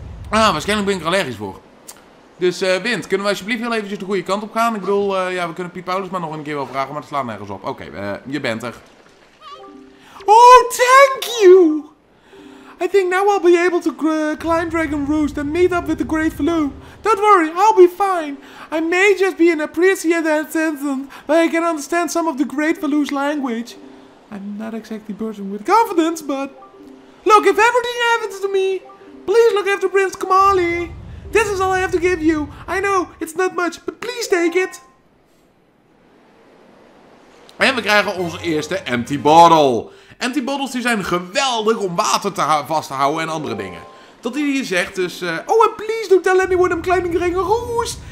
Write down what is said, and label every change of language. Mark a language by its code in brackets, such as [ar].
[nl] Ah, waarschijnlijk ben ik er allergisch voor. Dus wind, kunnen we alsjeblieft heel eventjes de goede kant op gaan? Ik bedoel, ja, we kunnen Piet Paulus maar nog een keer wel vragen, maar het slaat nergens op. Oké, je bent er. [en] Oh, thank you! I think now I'll be able to climb Dragon Roost and meet up with the Great Faloo. Don't worry, I'll be fine. I may just be an appreciated attendant, but I can understand some of the Great Faloo's language. I'm not exactly bursting with confidence, but... Look, if everything happens to me, please look after Prince Kamali. This is all I have to give you. I know, it's not much, but please take it. [nl] En we krijgen onze eerste empty bottle. Empty bottles die zijn geweldig om water te vast te houden en andere dingen. Tot hij hier zegt, dus... [en] Oh, and please don't tell anyone I'm climbing Dragon Roost.